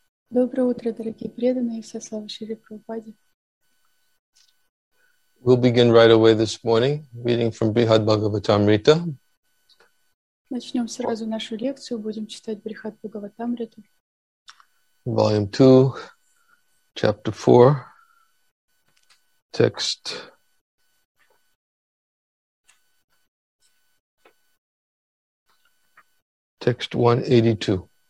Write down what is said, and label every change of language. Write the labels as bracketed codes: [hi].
[ru] Доброе утро, дорогие преданные, все слава Шри Прабхупаде. [en] We'll begin right away this morning, reading from Brihad Bhagavatamrita. [ru] Начнем сразу нашу лекцию, будем читать Брихад Бхагаватамриту. [en] Volume 2, Chapter 4, Text 182.